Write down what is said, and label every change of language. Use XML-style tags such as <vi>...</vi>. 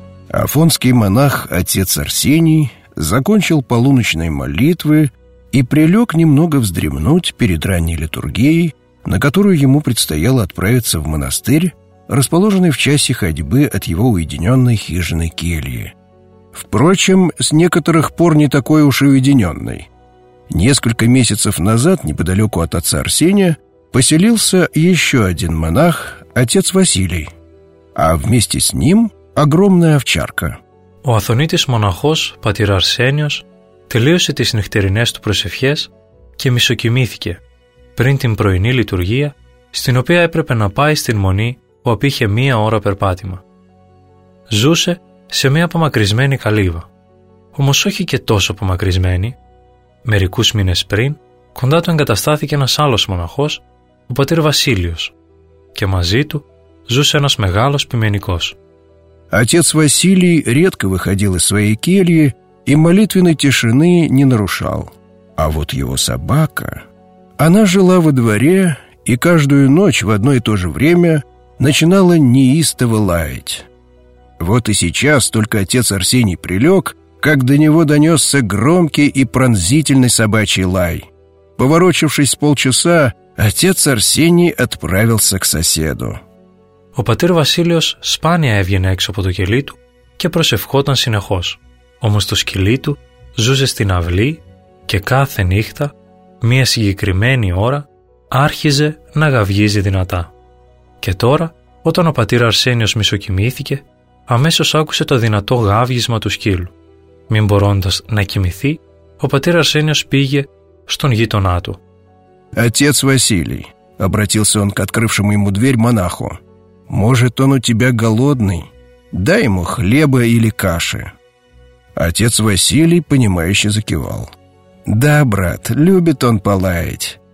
<ru>Афонский монах отец Арсений закончил полуночные молитвы и прилег немного вздремнуть перед ранней литургией, на которую ему предстояло отправиться в монастырь, расположенный в часе ходьбы от его уединенной хижины кельи. Впрочем, с некоторых пор не такой уж и уединенной. Несколько месяцев назад неподалеку от отца Арсения поселился еще один монах, отец Василий. а вместе с ним огромная овчарка.</ru> <el>Ο Αθωνίτης μοναχός, πατήρ Αρσένιος, τελείωσε τις νυχτερινές του προσευχές και μισοκοιμήθηκε πριν την πρωινή λειτουργία, στην οποία έπρεπε να πάει στην μονή που απήχε μία ώρα περπάτημα. Ζούσε σε μία απομακρυσμένη καλύβα. Όμως όχι και τόσο απομακρυσμένη. Μερικούς μήνες πριν, κοντά του εγκαταστάθηκε ένας άλλος μοναχός, ο πατήρ Βασίλειος, και μαζί του ζούσε ένας μεγάλος ποιμενικός.</el> <ru>Отец Василий редко выходил из своей кельи и молитвенной тишины не нарушал. А вот его собака, она жила во дворе и каждую ночь в одно и то же время начинала неистово лаять. Вот и сейчас только отец Арсений прилег, как до него донесся громкий и пронзительный собачий лай. Поворочившись с полчаса, отец Арсений отправился к соседу.</ru> <el>Ο πατήρ Βασίλειος σπάνια έβγαινε έξω από το κελί του και προσευχόταν συνεχώς. Όμως το σκυλί του ζούσε στην αυλή και κάθε νύχτα, μία συγκεκριμένη ώρα, άρχιζε να γαυγίζει δυνατά. Και τώρα, όταν ο πατήρ Αρσένιος μισοκοιμήθηκε, αμέσως άκουσε το δυνατό γαύγισμα του σκύλου. Μην μπορώντας να κοιμηθεί, ο πατήρ Αρσένιος πήγε στον γείτονά του.</el> <ru>«Ατец Βασίλη», обратился он к открывшему ему дверь монаху. «Может, он у тебя голодный? Дай ему хлеба или каши». Отец Василий, понимающе закивал. «Да, брат, любит он полаять.</ru>